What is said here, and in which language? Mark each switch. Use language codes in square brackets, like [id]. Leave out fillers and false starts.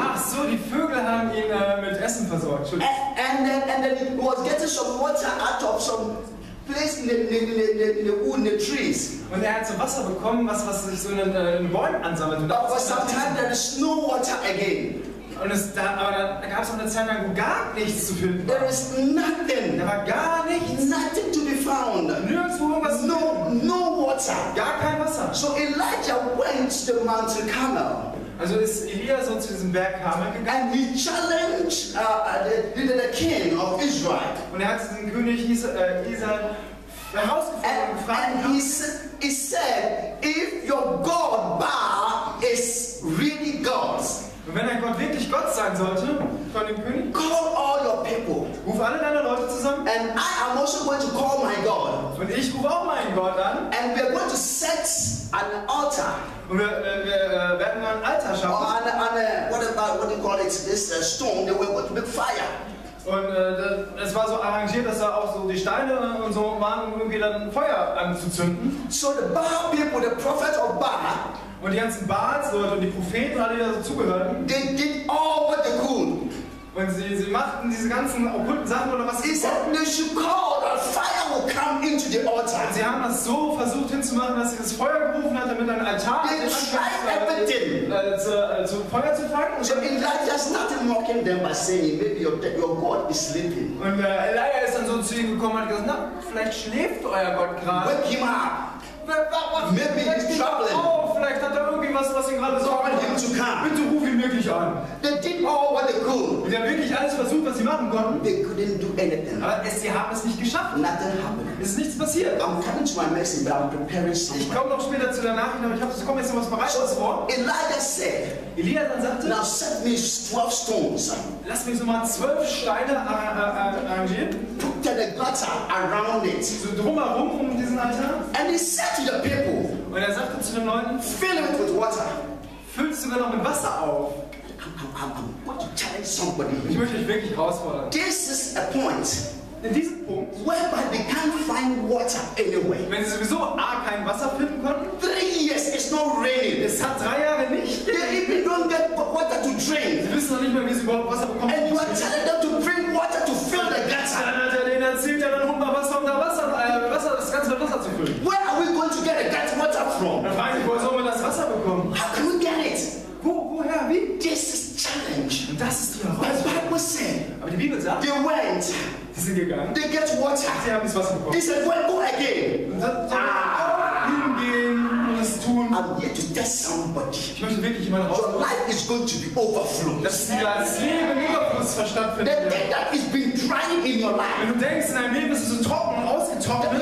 [de] Ach so, die Vögel haben ihn mit Essen versorgt. [en] And then he was getting some water out of some place in the wood, in the trees. [de] Und er hat so Wasser bekommen, was sich so in den Bäumen ansammelt. [en] But for some time there is no water again. [de] Und da gab es auch eine Zeit lang, wo gar nichts zu finden war. [en] There is nothing. [de] Da war gar nichts. [en] Nothing to be found. [de] Nirgendwo irgendwas. [en] No water. [de] Gar kein Wasser. [en] So Elijah went to the mountain Carmel. [de] Also ist Elia so zu diesem Berg Carmel gegangen. [en] And he challenged the king of Israel. [de] Und er hat den König Israel herausgefordert und gefragt. [en] And he said, if your God Baal is really God's. [de] Und wenn ein Gott wirklich Gott sein sollte, von dem König, [en] call all your people. [de] Ruf alle deine Leute zusammen. [en] And I am also going to call my God. [de] Und ich rufe auch meinen Gott an. [en] And we are going to set an altar. [de] Und wir werden einen Altar schaffen. [en] Or a stone? They were going to make fire. [de] Und es war so arrangiert, dass da auch so die Steine und so waren, um irgendwie dann Feuer anzuzünden. [en] So the Baal people, the prophet of Baal. [de] Und die ganzen Baalsleute und die Propheten, alle, die da so zugehörten, [en] they did all what they could. [de] Und sie machten diese ganzen okkulten Sachen oder was. [en] He said, they should call or fire will come into the altar. [de] Und sie haben das so versucht hinzumachen, dass sie das Feuer gerufen hat, damit ein Altar zu Feuer zu fangen. [en] So Elijah started mocking them by saying, maybe your God is sleeping. [de] Und Elijah ist dann so zu ihnen gekommen und hat gesagt, na, vielleicht schläft euer Gott gerade. [en] Wake him up. Maybe he's troubling. [de] Oh, vielleicht hat er irgendwie was ihn gerade [en] sorgt. Call him to come. [de] Bitte ruf ihn wirklich an. [en] They did all what they could. [de] Sie haben wirklich alles versucht, was sie machen konnten. [en] They couldn't do anything. [de] Aber sie haben es nicht geschafft. [en] Nothing happened. [de] Es ist nichts passiert. [en] I'm coming to my message, but I'm preparing something. [de] Ich komme noch später zu der Nachricht, aber ich habe jetzt noch was Bereites vor. [en] Elijah said. [de] Elia dann sagte. [en] Now set me 12 stones. [de] Lass mich so mal 12 Steine arrangieren. [en] Put the gutter around it. [de] So drumherum um diesen Altar. [en] And he said to the people. [de] Und er sagte zu den Leuten. [en] Fill it with water. [de] Füll es sogar noch mit Wasser auf. [en] I'm going to challenge somebody. [de] Ich möchte dich wirklich herausfordern. [en] This is a point. [de] In diesem Punkt. [en] Whereby they can't find water anyway. [de] Wenn sie sowieso kein Wasser finden konnten. [en] 3 years is no rain. [de] Es hat 3 Jahre nicht. [en] They even don't get water to drink. [de] Sie wissen noch nicht mehr, wie sie überhaupt Wasser bekommen. [en] And you are telling them to bring water to fill the gutter. [de] Dann hat er denen erzählt, ja, dann holt mal Wasser, um da Wasser, das ganze Wasser zu füllen. [en] Where are we going to get a gut water from? [de] Dann fragen sie, woher sollen wir das Wasser bekommen? [en] How can we get it? [de] Woher, wie? [en] This is challenge. [de] Und das ist die Herausforderung. [en] But the Bible [de] said, aber die Bibel sagt, [en] they went. [de] Sie sind gegangen. [en] They get water. [de] Sie haben das Wasser bekommen. [en] They said, well, go again. [de] Und dann hingehen. Und es tun. [en] I'm here to test somebody. [de] Ich möchte wirklich jemanden [en] rausfinden. Your life is going to be overflowed. [de] Das ist dein Leben Überfluss verstanden. [en] The thing that has been dry in your life. [de] Wenn du denkst, in deinem Leben ist es so trocken und ausgetrocknet.